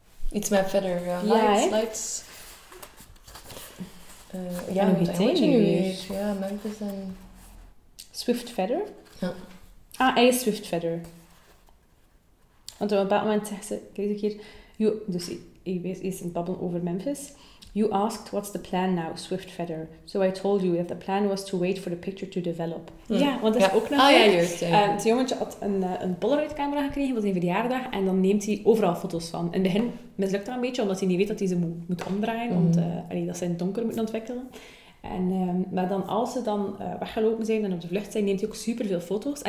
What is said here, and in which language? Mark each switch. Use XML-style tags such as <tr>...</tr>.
<nl>Iets met Feather. Lights. Ja, nog iets tegenwoordig. Ja, Memphis en... Swift Feather? Ja. Ah, hij is Swift Feather. Want op een bepaald moment zegt ze... Kijk eens hier. Is in bubble over Memphis.</nl> <en>You asked what's the plan now, Swift Feather. So I told you that the plan was to wait for the picture to develop.</en> <nl>Mm. Ja, want dat is ook nog... Ah, het jongetje had een Polaroid-camera gekregen, was een verjaardag, en dan neemt hij overal foto's van. In het begin mislukt dat een beetje, omdat hij niet weet dat hij ze moet omdraaien, dat ze in het donker moeten ontwikkelen. Maar dan als ze dan weggelopen zijn en op de vlucht zijn, neemt hij ook superveel foto's.</nl>